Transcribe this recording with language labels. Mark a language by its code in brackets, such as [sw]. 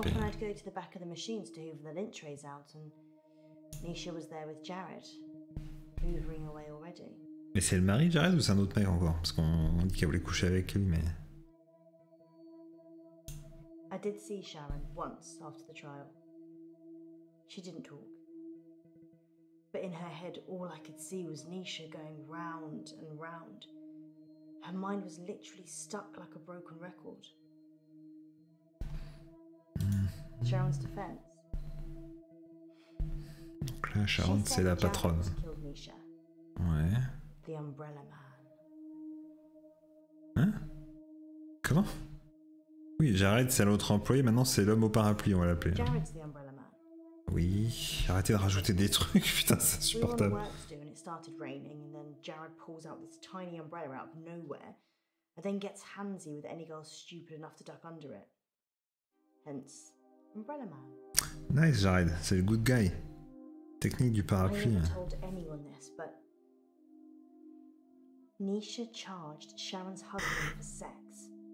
[en] Often I'd go to the back of the machines to hoover the lint trays out, and Nisha was there with Jared, hoovering away already. [fr] Mais c'est le mari de Jared ou c'est un autre mec encore? Parce qu'on dit qu'elle voulait coucher avec lui, mais. [en] I did see Sharon once after the trial. She didn't talk. But in her head, all I could see was Nisha going round and round. Her mind was literally stuck like a broken record. Sharon's defense. [fr] Donc là, Sharon, c'est la patronne. Ouais. [en] The Umbrella Man. [fr] Hein? Comment? Oui, Jared, c'est l'autre employé. Maintenant, c'est l'homme au parapluie, on va l'appeler. [en] Jared's the Umbrella Man. [fr] Oui, arrêtez de rajouter des trucs, putain, c'est insupportable. [en] We were on work to do and it started raining and then Jared pulls out this tiny umbrella out of nowhere and then gets handsy with any girl stupid enough to duck under it. Hence, Umbrella Man. [fr] Nice, Jared, c'est le [en] good guy. [fr] Technique du parapluie. [en] I never told anyone this, but Nisha charged Sharon's husband for sex.